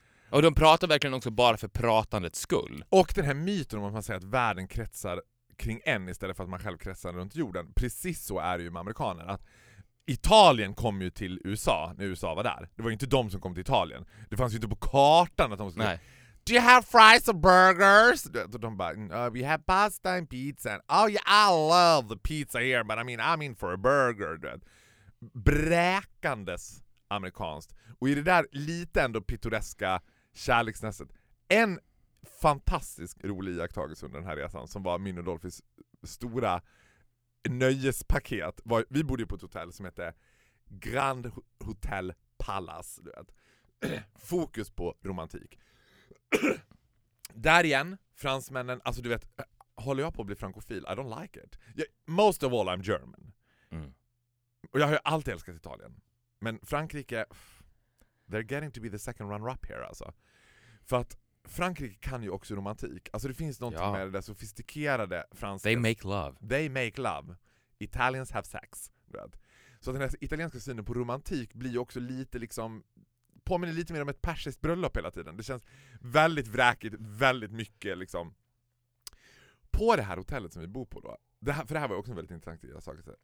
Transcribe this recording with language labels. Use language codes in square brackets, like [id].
[sv] Och de pratar verkligen också bara för pratandets skull. Och den här myten om att man säger att världen kretsar kring en istället för att man själv kretsar runt jorden. Precis så är det ju med amerikaner. Att Italien kom ju till USA när USA var där. Det var ju inte de som kom till Italien. Det fanns ju inte på kartan att de skulle... Nej. [en] Do you have fries or burgers? [sv] De bara, [en] we have pasta and pizza. Oh yeah, I love the pizza here, but I mean, I'm in for a burger. [sv] Bräkandes amerikanskt. Och i det där lite ändå pittoreska kärleksnästet. En fantastisk rolig iakttagelse under den här resan som var min och Dolphys stora nöjespaket. Vi bodde ju på ett hotell som hette Grand Hotel Palace. Du vet. Fokus på romantik. Där igen, fransmännen, alltså du vet, håller jag på att bli frankofil? [en] I don't like it. Most of all I'm German. [sv] Och jag har ju alltid älskat Italien. [en] Men Frankrike, they're getting to be the second runner-up here alltså. [sv] För att Frankrike kan ju också romantik. Alltså det finns något med det sofistikerade franska. [en] They make love. They make love. Italians have sex. Right? [sv] Så den här italienska synen på romantik blir ju också lite liksom, påminner lite mer om ett persiskt bröllop hela tiden. Det känns väldigt vräkigt, väldigt mycket liksom. På det här hotellet som vi bor på då, det här, för det här var också en väldigt intressant grej att säga.